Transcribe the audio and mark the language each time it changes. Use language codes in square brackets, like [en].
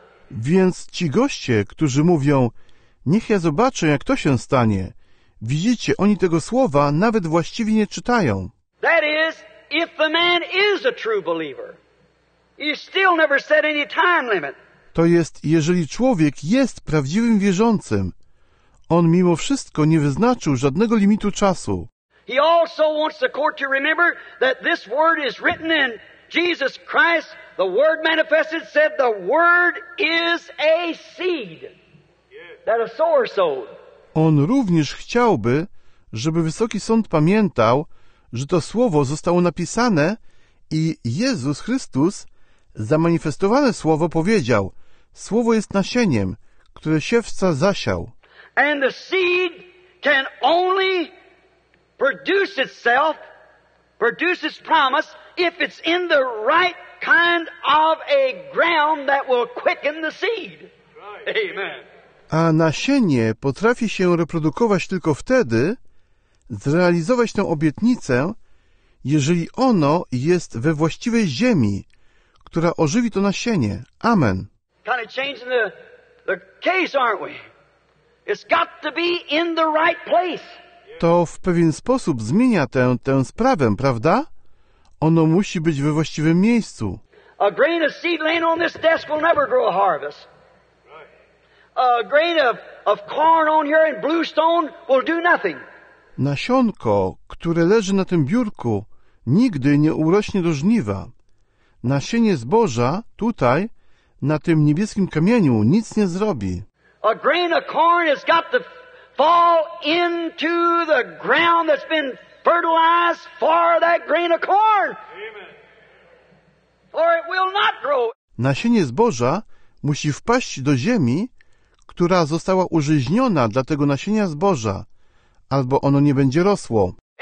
[pl] Więc ci goście, którzy mówią, niech ja zobaczę, jak to się stanie. Widzicie, oni tego słowa nawet właściwie nie czytają. [en] That is, if the man is a true believer, he still never set any time limit. [pl] To jest, jeżeli człowiek jest prawdziwym wierzącym. On mimo wszystko nie wyznaczył żadnego limitu czasu. [en] He also wants the court to remember that this word is written in Jesus Christ, the word manifested, said the word is a seed that a sower sowed. [pl] On również chciałby, żeby Wysoki Sąd pamiętał, że to słowo zostało napisane i Jezus Chrystus, zamanifestowane słowo, powiedział, słowo jest nasieniem, które siewca zasiał. [en] And the seed can only produce itself, produce its promise, if it's in the right kind of a ground that will quicken the seed. Amen. [pl] A nasienie potrafi się reprodukować tylko wtedy, zrealizować tę obietnicę, jeżeli ono jest we właściwej ziemi, która ożywi to nasienie. Amen. [en] Kind of changing the case, aren't we? It's got to be in the right place. [pl] To w pewien sposób zmienia tę sprawę, prawda? Ono musi być we właściwym miejscu. [en] A grain of seed laying on this desk will never grow a harvest. A grain of corn on here in bluestone will do nothing. [pl] Nasionko, które leży na tym biurku, nigdy nie urośnie do żniwa. Nasienie zboża tutaj, na tym niebieskim kamieniu, nic nie zrobi. [en] A grain of corn has got to fall into the ground that's been fertilized for that grain of corn. Amen. Or it will not grow. [pl] Nasienie zboża musi wpaść do ziemi, która została użyźniona dla tego nasienia zboża, albo ono nie będzie rosło.